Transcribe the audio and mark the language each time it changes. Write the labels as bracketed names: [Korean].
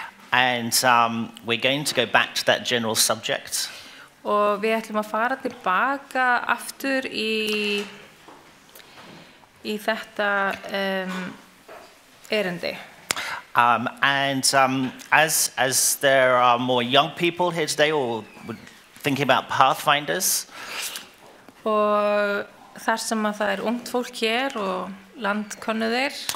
[English] And we're going to go back to that general subject. [Icelandic] Og við ætlum að fara tilbaka aftur í þetta erindi. [English] As there are more young people here today or thinking about pathfinders. [Icelandic] Og þar sem að það ungt fólk hér og landkönnuðir.